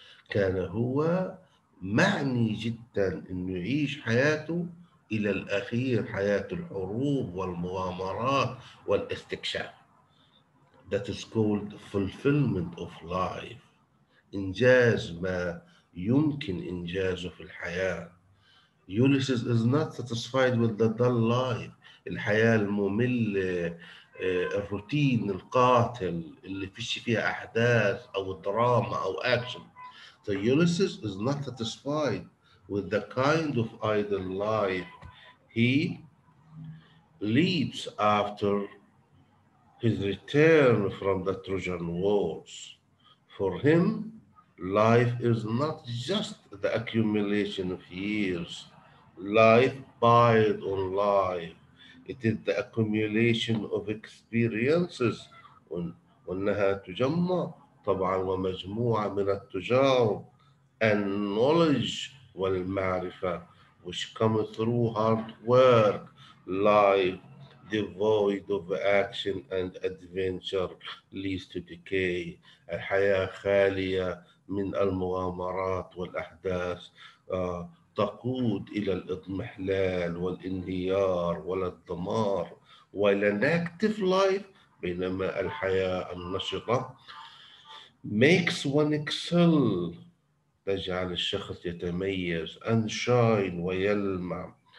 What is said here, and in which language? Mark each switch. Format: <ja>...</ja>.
<ar>كان هو معني جدا أن يعيش حياته إلى الأخير، حياة الحروب والمغامرات والاستكشاف.</ar> <en>That is called fulfillment of life.</en> <ar>إنجاز ما يمكن إنجازه في الحياة.</ar> <en>Ulysses is not satisfied with the dull life.</en> <ar>الحياة المملة، الروتين القاتل اللي فيش فيها أحداث أو دراما أو أكشن.</ar> <en>So Ulysses is not satisfied with the kind of idle life he leads after his return from the Trojan Wars. For him, life is not just the accumulation of years. Life piled on life. It is the accumulation of experiences.</en> <ar>وأنها تجمع طبعاً ومجموعة من التجارب.</ar> <en>And knowledge والمعرفة. Which come through hard work. Life devoid of action and adventure leads to decay.</en> <ar>الحياة خالية من المغامرات والأحداث. تقود إلى الإضمحلال والإنهيار والدمار.</ar> <en>While an active life, بينما الحياة النشطة, makes one excel, تجعل الشخص يتميز, and shine, ويلمع.</en>